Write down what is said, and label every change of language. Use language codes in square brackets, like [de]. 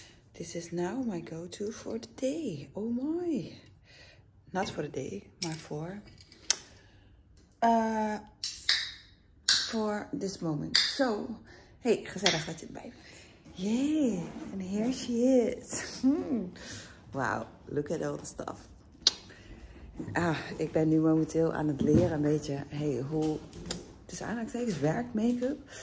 [en] This is now my go-to for the day. Oh my. Not for the day, [nl] maar voor. [en] For this moment. So, hey, [nl] gezellig dat je erbij bent. [en] Yay, and here she is. Wow, look at all the stuff. [nl] Ik ben nu momenteel aan het leren een beetje, hey, hoe. Het is aanhalingstekens werk, make-up.